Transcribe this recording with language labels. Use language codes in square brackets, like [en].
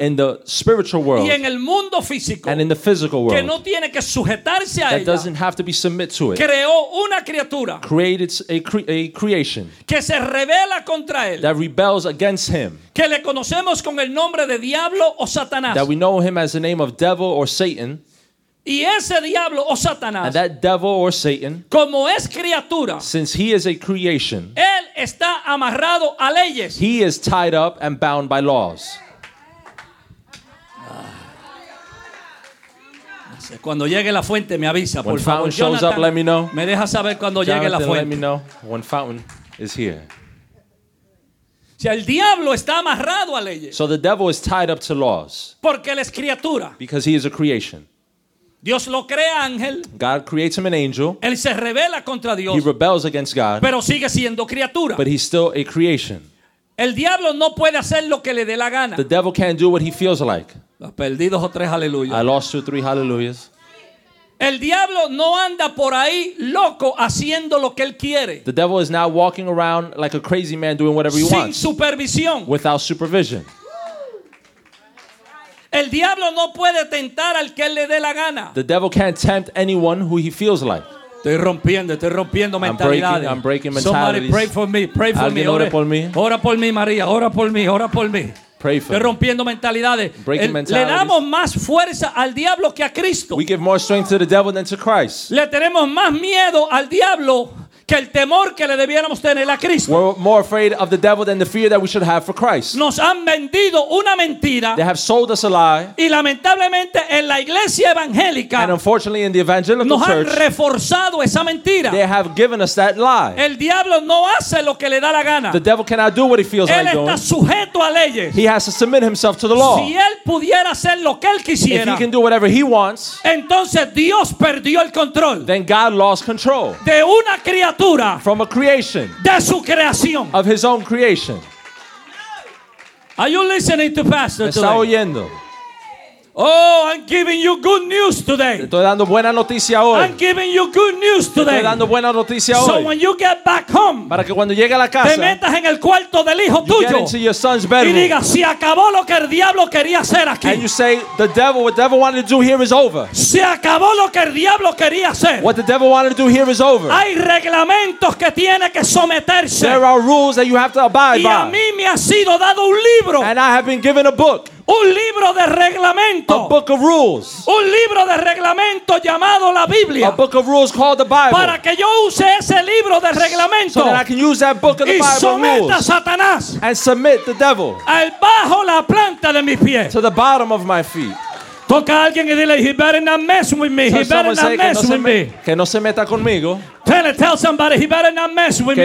[en] in the spiritual world, [es] y en el mundo físico, [en] and in the physical world, [es] que no tiene que sujetarse a [en] that [es] ella, [en] doesn't have to be submit to it, [es] creó una criatura, [en] created a creation, [es] que se rebela contra él, [en] that rebels against him, [es] que le conocemos con el nombre de diablo o Satanás, [en] that we know him as the name of devil or Satan, [es] y ese diablo o Satanás, [en] and that devil or Satan, [es] como es criatura, [en] since he is a creation, [es] él está amarrado a leyes. [en] He is tied up and bound by laws. [es] Cuando llegue la fuente, me avisa, por favor. [en] When fountain shows up, let me know. [es] Me deja saber cuando llegue la fuente. [en] Let me know when fountain is here. [es] O sea, el diablo está amarrado a leyes. [en] So the devil is tied up to laws. [es] Porque él es criatura. [en] Because he is a creation. [es] Dios lo crea ángel. [en] God creates him an angel. [es] Él se rebela contra Dios. [en] He rebels against God. [es] Pero sigue siendo criatura. [en] But he's still a creation. [es] El diablo no puede hacer lo que le dé la gana. [en] The devil can't do what he feels like. [es] Los perdidos o tres aleluyas. [en] I lost two, three hallelujahs. [es] El diablo no anda por ahí loco haciendo lo que él quiere. [en] The devil is now walking around like a crazy man doing whatever he [es] sin [en] wants. [es] Sin supervisión. [en] Without supervision. [es] El diablo no puede tentar al que le dé la gana. [en] The devil can't tempt anyone who he feels like. [es] Estoy rompiendo [en] mentalidades. I'm breaking mentalities. Somebody pray for me. Pray for [es] me. Ore por mí. Ora por mí, María. Ora por mí. Ora por mí. [en] Pray for me. [es] Estoy rompiendo mentalidades. [en] Breaking mentalities. [es] Le damos más fuerza al diablo que a Cristo. [en] We give more strength to the devil than to Christ. [es] Le tenemos más miedo al diablo que el temor que le debiéramos tener a Cristo. [en] We're more afraid of the devil than the fear that we should have for Christ. [es] Nos han vendido una mentira. [en] They have sold us a lie. [es] Y lamentablemente en la iglesia evangélica, [en] and unfortunately in the evangelical [es] nos [en] church, [es] nos han reforzado esa mentira. [en] They have given us that lie. [es] El diablo no hace lo que le da la gana. [en] The devil cannot do what he feels [es] él [en] like doing. [es] Él está sujeto a leyes. [en] He has to submit himself to the law. [es] Si él pudiera hacer lo que él quisiera, [en] if he can do whatever he wants, [es] entonces Dios perdió el control. [en] Then God lost control. [es] De una criatura. [en] From a creation. [es] De su creación. [en] Of his own creation. Are you listening to Pastor [es] está [en] today? [es] Oyendo. [en] Oh, I'm giving you good news today. [es] Estoy dando buena noticia hoy. [en] I'm giving you good news today. [es] Estoy dando buena noticia [en] so [es] hoy. [en] When you get back home, [es] para que cuando llegue a la casa, te metas en el cuarto del hijo [en] you [es] tuyo, [en] get into your son's bedroom, [es] y digas, se acabó lo que el diablo quería hacer aquí. [en] And you say, the devil, what the devil wanted to do here is over. [es] Se acabó lo que el diablo quería hacer. [en] What the devil wanted to do here is over. [es] Hay reglamentos que tiene que someterse. [en] There are rules that you have to abide [es] y Y a mí me ha sido dado un libro. [en] And I have been given a book. [es] Un libro de reglamento. [en] A book of rules. [es] Un libro de reglamento llamado la Biblia. [en] A book of rules called the Bible. [es] Para que yo use ese libro de reglamento. [en] So that I can use that book of the Bible [es] someta [en] rules. [es] A Satanás. [en] And submit the devil. [es] Al bajo la planta de mi pie. [en] To the bottom of my feet. [es] Toca a alguien y dile, [en] he better not mess with me. So he better not mess with me. [es] Que no se meta conmigo. [en] Tell somebody, he better not mess with [es] que